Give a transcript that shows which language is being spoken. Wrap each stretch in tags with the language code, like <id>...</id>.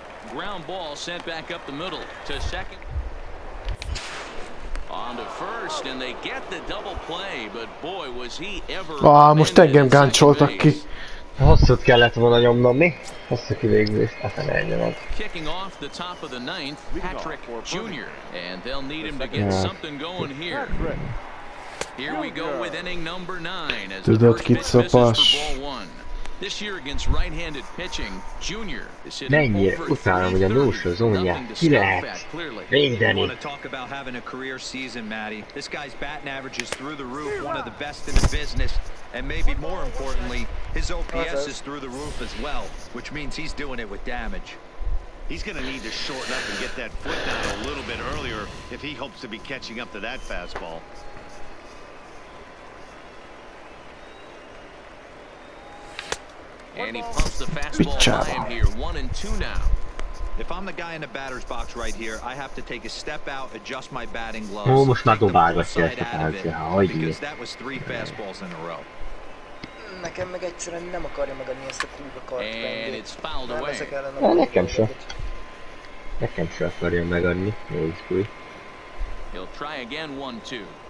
<en>Ground ball sent back up the middle to second. On to first, and they get the double play, but boy, was he ever...</en> <hu>Ah, most engem gáncsoltak ki. Hosszút kellett volna nyomnom, mi? Hosszú kivégzés, hát nem ennyire.</hu> <en>Kicking off the top of the ninth, Patrick Jr. And they'll need him to get something going here. Here we go with inning number 9, as</en> <hu>tudod,</hu> <en>the first pitch misses for ball 1. This year against right-handed pitching, Junior is hitting over 330, nothing to scoff at, clearly. We want to talk about having a career season, Matty. This guy's batting average is through the roof, one of the best in the business, and maybe more importantly, his OPS is through the roof as well, which means he's doing it with damage. He's going to need to shorten up and get that foot down a little bit earlier if he hopes to be catching up to that fastball. And he pumps the fastball high in here. 1-2 now. If I'm the guy in the batter's box right here, I have to take a step out, adjust my batting gloves.</en> <hu>Oh, most már dobálgatja ezt a pályát.</hu> <en>Because that was 3 fastballs in a row.</en> <hu>Nekem meg egyszerűen nem akarja megadni ezt a kulcsakart.</hu> <en>And it's fouled away.</en> <hu>Nekem se. Nekem se akarja megadni. Nézzük.</hu> <en>He'll try again 1-2.</en>